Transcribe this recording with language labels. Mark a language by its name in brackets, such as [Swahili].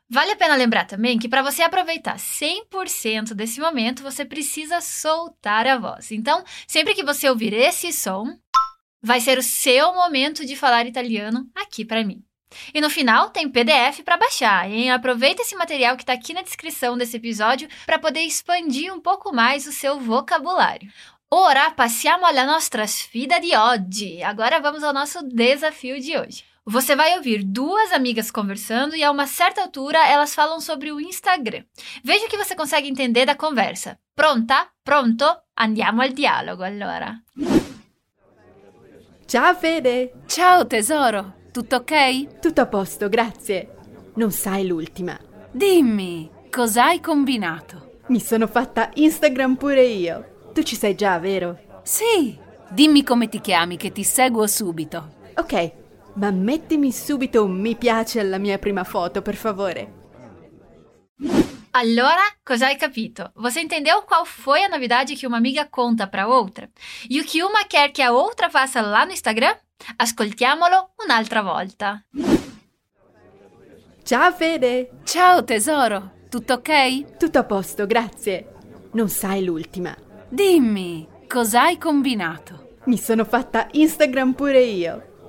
[Portuguese] Vale a pena lembrar também que para você aproveitar 100% desse momento, você precisa soltar a voz. Então, sempre que você ouvir esse som, vai ser o seu momento de falar italiano aqui para mim. E no final, tem PDF para baixar, hein? Aproveita esse material que está aqui na descrição desse episódio para poder expandir um pouco mais o seu vocabulário. [Italian] Ora, passiamo alla nostra sfida di oggi. [Portuguese] Agora vamos ao nosso desafio de hoje. Você vai ouvir duas amigas conversando e a uma certa altura elas falam sobre o Instagram. Veja o que você consegue entender da conversa. Pronta? Pronto? [Italian] Andiamo al dialogo, allora. Ciao, Fede. Ciao, tesoro. Tutto ok? Tutto a posto, grazie. Non sai l'ultima. Dimmi, cos'hai combinato? Mi sono fatta Instagram pure io. Tu ci sei già, vero? Sì. Dimmi come ti chiami, che ti seguo subito. Ok. Ma mettimi subito un mi piace alla mia prima foto, per favore. Allora, cosa hai capito? [Portuguese] Você entendeu qual foi a novidade que uma amiga conta para outra? E o que uma quer que a outra faça lá no Instagram? [Italian] Ascoltiamolo un'altra volta. Ciao Fede. Ciao tesoro. Tutto ok? Tutto a posto, grazie. Non sai l'ultima. Dimmi, cosa hai combinato? Mi sono fatta Instagram pure io.